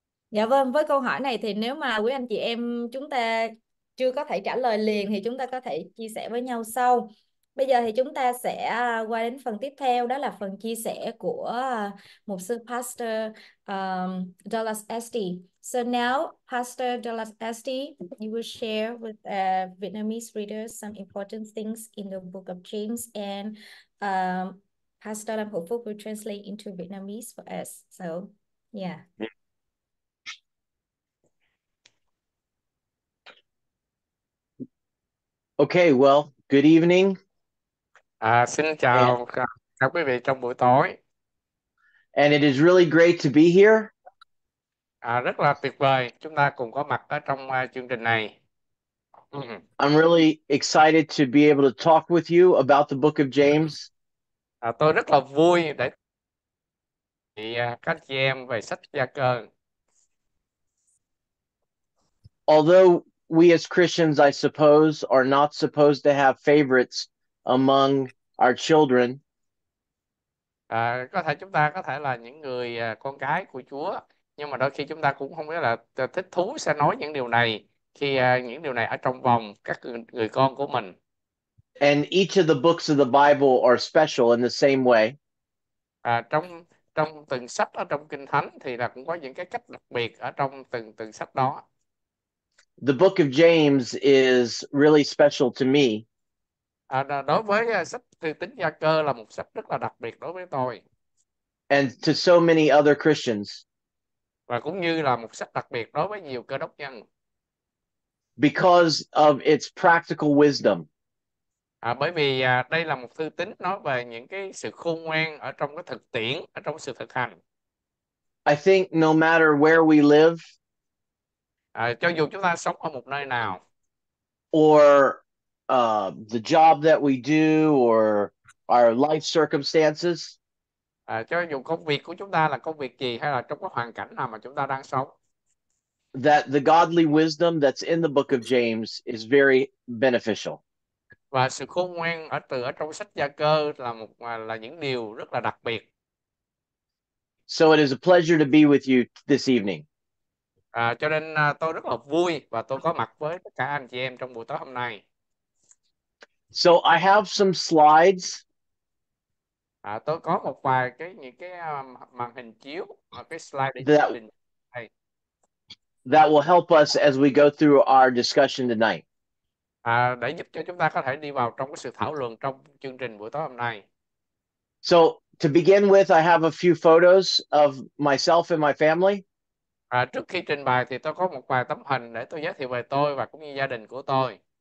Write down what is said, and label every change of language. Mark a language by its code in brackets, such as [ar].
[vi] Dạ vâng, với câu hỏi này thì nếu mà quý anh chị em chúng ta chưa có thể trả lời liền thì chúng ta có thể chia sẻ với nhau sau. Bây giờ thì chúng ta sẽ qua đến phần tiếp theo, đó là phần chia sẻ của một sư pastor Dallas Esty. [en] So now, Pastor Dallas Esty, you will share with Vietnamese readers some important things in the book of James, and Pastor Lam Hồ Phúc will translate into Vietnamese for us. So, yeah. Okay, well, good evening. [vi] Xin [en] And [vi] chào các quý vị trong buổi tối. [en] it is really great to be here. [vi] Rất là tuyệt vời chúng ta cùng có mặt ở trong chương trình này. [en] I'm really excited to be able to talk with you about the book of James. [vi] Tôi rất là vui để các chị em về sách Gia Cơ. [en] Although we as Christians, I suppose, are not supposed to have favorites among our children. [vi] Có thể chúng ta có thể là những người con cái của Chúa, nhưng mà đôi khi chúng ta cũng không biết là thích thú sẽ nói những điều này khi những điều này ở trong vòng các người con của mình. [en] And each of the books of the Bible are special in the same way. [vi] Trong trong từng sách ở trong Kinh Thánh thì là cũng có những cái cách đặc biệt ở trong từng từng sách đó. [en] The book of James is really special to me. [vi] Đối với sách từ tính Gia Cơ là một sách rất là đặc biệt đối với tôi. [en] And to so many other Christians. [vi] Và cũng như là một sách đặc biệt đối với nhiều cơ đốc nhân. [en] Because of its practical wisdom. [vi] Bởi vì đây là một thư tín nói về những cái sự khôn ngoan ở trong cái thực tiễn, ở trong sự thực hành. [en] I think no matter where we live, [vi] Cho dù chúng ta sống ở một nơi nào, [en] or the job that we do, or our life circumstances, [vi] cho dù công việc của chúng ta là công việc gì hay là trong cái hoàn cảnh nào mà chúng ta đang sống. [en] that the godly wisdom that's in the book of James is very beneficial. [vi] Và sự khôn ngoan ở từ ở trong sách Gia Cơ là một là những điều rất là đặc biệt. [en] So it is a pleasure to be with you this evening. [vi] Cho nên tôi rất là vui và tôi có mặt với tất cả anh chị em trong buổi tối hôm nay. [en] So I have some slides. [vi] Tôi có một vài cái những cái màn hình chiếu và cái slide để chương [en] That [vi] trình này. [en] will help us as we go through our discussion tonight. [vi] Để giúp cho chúng ta có thể đi vào trong cái sự thảo luận trong chương trình buổi tối hôm nay. [en] So to begin with, I have a few photos of myself and my family. [vi] Trước khi trình bày thì tôi có một vài tấm hình để tôi giới thiệu về tôi và cũng như gia đình của tôi.